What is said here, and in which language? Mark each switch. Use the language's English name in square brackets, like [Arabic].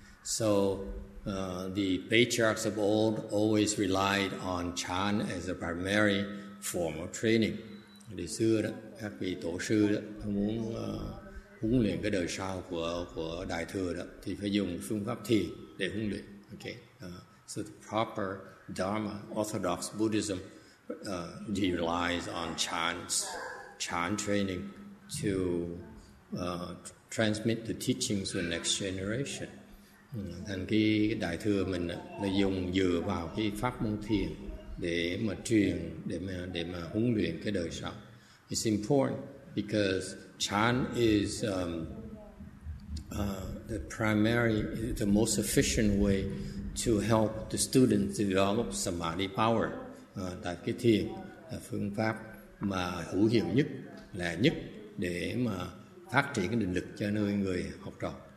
[English] So the patriarchs of old always relied on Chan as a primary form of training. [Vietnamese] Đời xưa đó, các vị tổ sư đó muốn huấn luyện cái đời sau của đại thừa đó thì phải dùng phương pháp thiền để huấn luyện. Okay. [English] So the proper Dharma, Orthodox Buddhism, relies on Chan training to transmit the teachings to the next generation. [Vietnamese] Thành cái đại thừa mình là dùng dựa vào cái pháp môn thiền để mà truyền, để mà huấn luyện cái đời sau. [English] It's important because Chan is the primary, the most efficient way to help the students develop samadhi power. [Vietnamese] Tại cái thiền là phương pháp mà hữu hiệu nhất, là nhất để mà phát triển cái định lực cho nơi người học trò.